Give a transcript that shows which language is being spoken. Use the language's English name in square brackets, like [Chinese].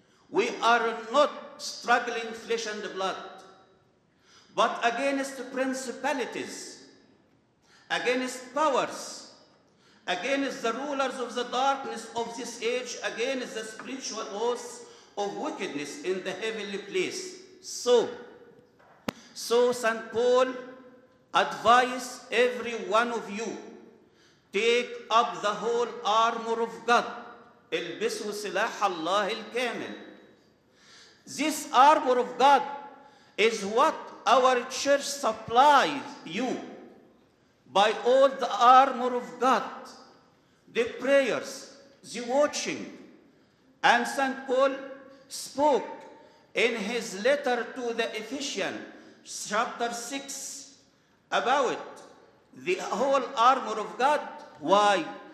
[English] We are not struggling flesh and blood, but against principalities, against powers, against the rulers of the darkness of this age, against the spiritual hosts of wickedness in the heavenly place. So St. Paul advises every one of you, Take up the whole armor of God. [Arabic] البسوا سلاح الله الكامل. [English] This armor of God is what our church supplies you by all the armor of God, the prayers, the watching. And St. Paul spoke in his letter to the Ephesians, chapter 6, about the whole armor of God. Why?